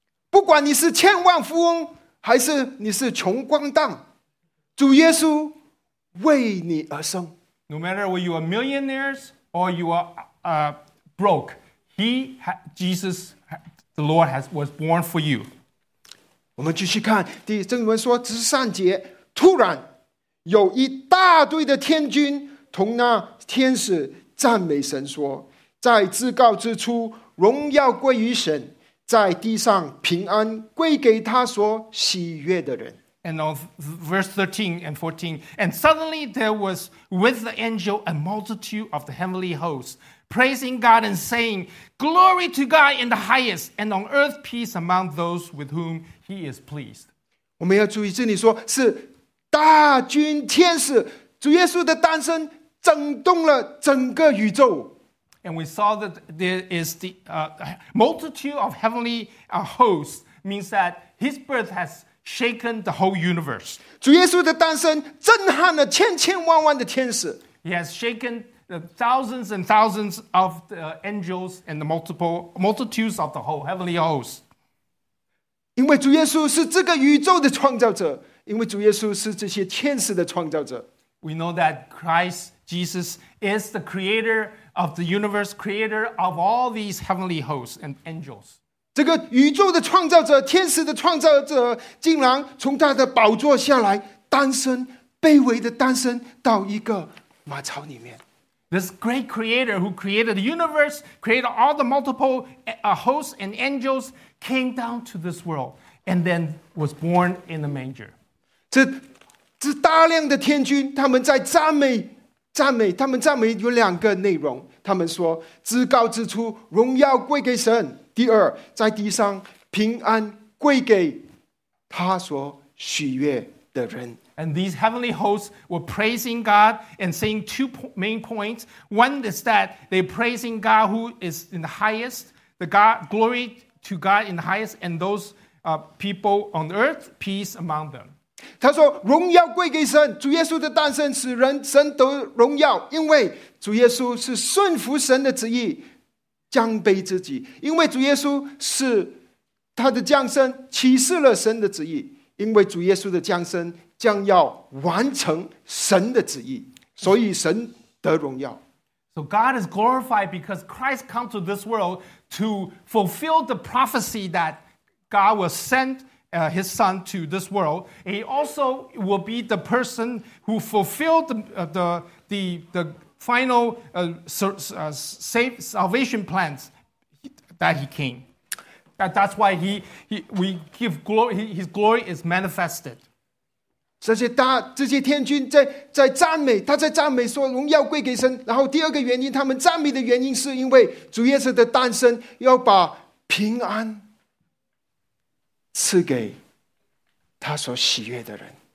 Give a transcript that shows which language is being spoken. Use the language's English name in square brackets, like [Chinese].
[Chinese] 不管你是千万富翁还是你是穷光蛋，主耶稣为你而生。 [English] No matter whether you are millionaires or you are broke, Jesus, the Lord was born for you. [Chinese] 我们继续看第正文说十三节，突然有一大堆的天军同那天使赞美神说，在至高之处荣耀归于神。在地上平安归给他所喜悦的人。 [English] And of verse 13 and 14, and suddenly there was with the angel a multitude of the heavenly hosts, praising God and saying, Glory to God in the highest, and on earth peace among those with whom he is pleased. [Chinese] 我们要注意这里说是大军天使，主耶稣的诞生震动了整个宇宙。 [English] And we saw that there is the multitude of heavenly hosts means that his birth has shaken the whole universe. [Chinese] 主耶稣的诞生震撼了千千万万的天使。 [English] He has shaken the thousands and thousands of the angels and the multitudes of the whole heavenly hosts. [Chinese] 因为主耶稣是这个宇宙的创造者，因为主耶稣是这些天使的创造者。 [English] We know that Christ Jesus is the creator of the universe, creator of all these heavenly hosts and angels. [Chinese] 这个宇宙的创造者，天使的创造者，竟然从他的宝座下来，诞生，卑微的诞生到一个马槽里面。 [English] This great creator who created the universe, created all the multiple hosts and angels, came down to this world and then was born in a manger. [Chinese] 这大量的天军，他们在赞美。赞美他们赞美有两个内容，他们说至高之处荣耀归给神，第二在地上平安归给他所喜悦的人。 [English] And these heavenly hosts were praising God and saying two main points. One is that they're praising God who is in the highest, the God, glory to God in the highest, and those people on earth, peace among them. [Chinese] 他说荣耀归给神，主耶稣的诞生使人神得荣耀，因为主耶稣是顺服神的旨意降卑自己，因为主耶稣是他的降生启示了神的旨意，因为主耶稣的降生将要完成神的旨意，所以神得荣耀。 [English] So God is glorified because Christ comes to this world to fulfill the prophecy that God was sent his son to this world. He also will be the person who fulfilled the final salvation plans that he came. That's why his glory is manifested. [Chinese] 这些天君在赞美，他在赞美说荣耀归给神。然后第二个原因，他们赞美的原因是因为主耶稣的诞生要把平安赐给他所喜悦的人。